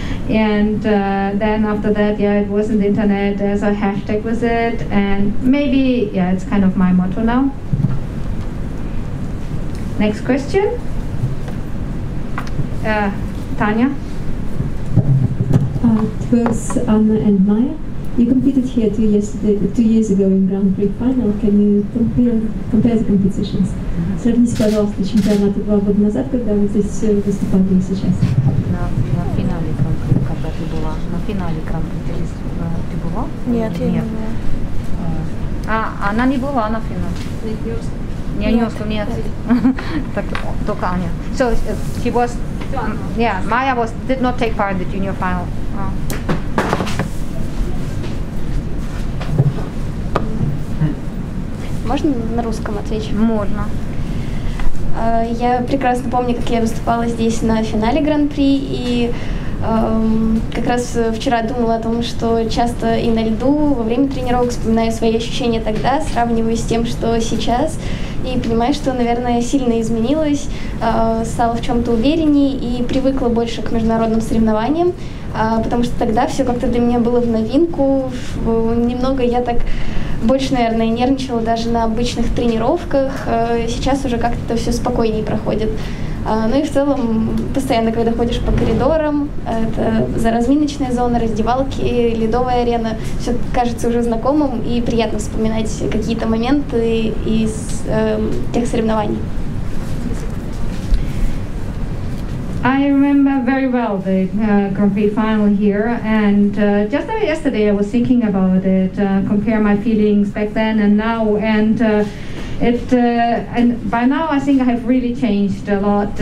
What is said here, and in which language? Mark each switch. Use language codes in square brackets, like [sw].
[en] And then after that, yeah, it was on the internet as a hashtag was it, and maybe, yeah, it's kind of my motto now. Next question. Tanya. To both Anna and Maya, you competed here two years ago in Grand Prix final. Can you compare the competitions? [ru] Сравните, пожалуйста, чемпионат 2 года назад, когда вы здесь выступали сейчас. На финале Гран-при, когда ты была. На финале Гран-при ты была? Нет, я не была. Она не была на финале. Не нёс, у меня так только Аня. [en] So he was, yeah, Maya was did not take part in the junior final. [ru] Можно на русском отвечу? Можно. Я прекрасно помню, как я выступала здесь на финале Гран-при, и как раз вчера думала о том, что часто и на льду во время тренировок вспоминаю свои ощущения тогда, сравниваю с тем, что сейчас. И понимаю, что, наверное, сильно изменилась, стала в чем-то увереннее и привыкла больше к международным соревнованиям, потому что тогда все как-то для меня было в новинку. Немного я так больше, наверное, нервничала даже на обычных тренировках. Сейчас уже как-то все спокойнее проходит. Ну и в целом, постоянно, когда ходишь по коридорам, это за разминочная зона, раздевалки, ледовая арена, все кажется уже знакомым и приятно вспоминать какие-то моменты из тех соревнований. [en] I remember very well the Grand Prix final here, and just yesterday I was thinking about it, compare my feelings back then and now, and And by now I think I have really changed a lot.